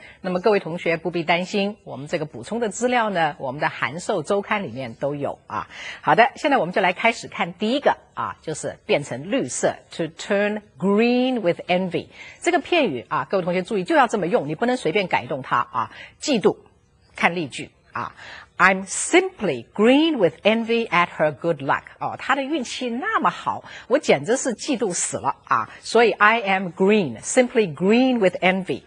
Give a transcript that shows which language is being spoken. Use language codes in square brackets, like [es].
[zh] 那么各位同学不必担心，我们这个补充的资料呢，我们的函授周刊里面都有啊。好的，现在我们就来开始看第一个啊，就是变成绿色 , [en] to turn green with envy。 [zh] 这个片语啊，各位同学注意，就要这么用，你不能随便改动它啊。嫉妒，看例句啊。 [en] I'm simply green with envy at her good luck. [zh] 哦，她的运气那么好，我简直是嫉妒死了啊！ [en] 所以 I am green, simply green with envy.